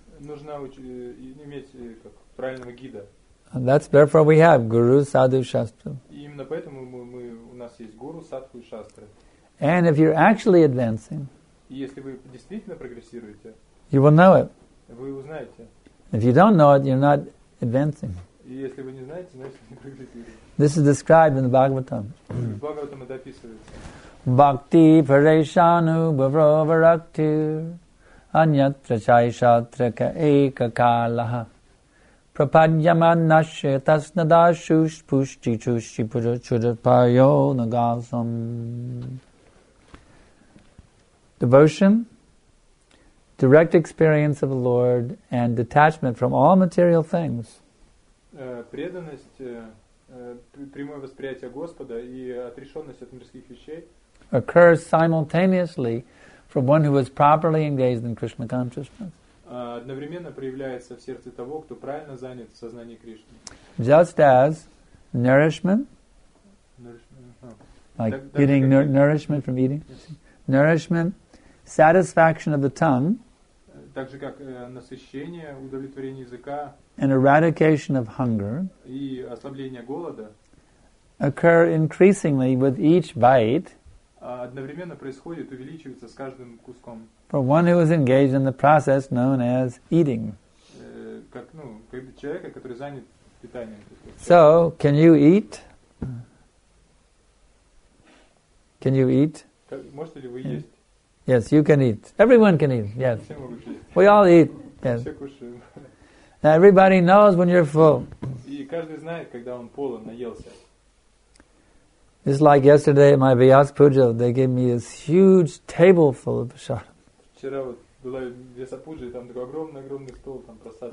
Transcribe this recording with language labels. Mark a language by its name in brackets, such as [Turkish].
[Russian] Нужно иметь как правильного гида. [English] And that's therefore we have Guru, Sadhu, Shastra. [Russian] Именно поэтому мы у нас есть Guru, Sadhu и Shastra. [English] And if you're actually advancing, [Russian] если вы действительно прогрессируете, [English] you will know it. [Russian] Вы узнаете. [English] If you don't know it, you're not advancing. [Russian] Если вы не знаете, значит не прогрессируете. [English] This is described in the Bhagavatam. [Russian] В Бхагаватам это описывается. [Sanskrit] Bhakti pareshanu bhavaraktu anyatra chaishatra ka ekakalaha. Prapadyaman nashetas nadashush pushti chushti puja chudapayo nagasam. [English] Devotion, direct experience of the Lord, and detachment from all material things. [Russian] Прямое восприятие Господа и отрешенность от мирских вещей [English] occurs simultaneously from one who is properly engaged in Krishna consciousness. [Russian] Одновременно проявляется в сердце того, кто правильно занят в сознании Кришны. [English] Just as nourishment, like getting nourishment from eating, nourishment, satisfaction of the tongue, [Russian] так же как насыщение, удовлетворение языка, [English] and eradication of hunger, [Russian] и ослабление голода, [English] occur increasingly with each bite, [Russian] одновременно происходит, увеличивается с каждым куском. [English] For one who is engaged in the process known as eating. [Russian] Как, ну, как человека, который занят питанием. [English] So, can you eat? Can you eat? [Russian] Можете ли вы есть? [English] Yes, you can eat. Everyone can eat. Yes. We all eat. Yes. Now everybody knows when you're full. [Russian] И каждый знает, когда он полон, наелся. [English] It's like yesterday at my Vyas Puja, they gave me this huge table full of prasadam. [Russian] Вчера вот была Vyasa Puja, там такой огромный стол, там просад.